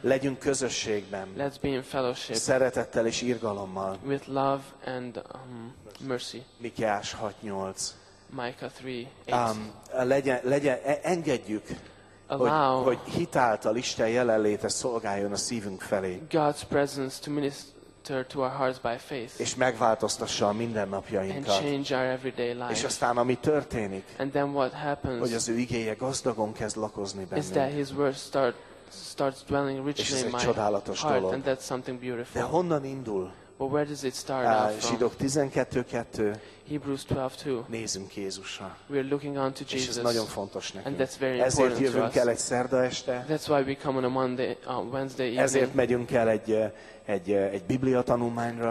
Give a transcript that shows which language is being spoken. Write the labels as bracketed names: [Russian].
[Hungarian] Legyünk közösségben. [English] Let's be in fellowship. [Hungarian] Szeretettel és irgalommal. [English] With love and mercy. [Hungarian] Mikiás 6:8. [English] Micah 3:8. [Hungarian] Engedjük, hogy hitáltal Isten jelenléte szolgáljon a szívünk felé. [English] God's presence to minister to our hearts by faith. [Hungarian] És megváltoztassa a mindennapjainkat. [English] And change our everyday life. [Hungarian] És aztán ami történik, [English] and then what happens, [Hungarian] hogy az ő igéje gazdagon kezd lakozni bennünk. [English] Is that his word starts dwelling richly in my heart, and that's something beautiful. [Hungarian] De honnan indul? [English] But where does it start out from? [Hungarian] Zsidók 12:2. [English] Hebrews 12:2. [Hungarian] Nézünk Jézusra. [English] We are looking unto Jesus. [Hungarian] És ez nagyon fontos nekünk. [English] And that's very [Hungarian] ezért [English] important. [Hungarian] Ezért jövünk el egy szerda este. [English] That's why we come on a Monday, Wednesday evening. [Hungarian] Ezért megyünk el egy Biblia tanulmányra.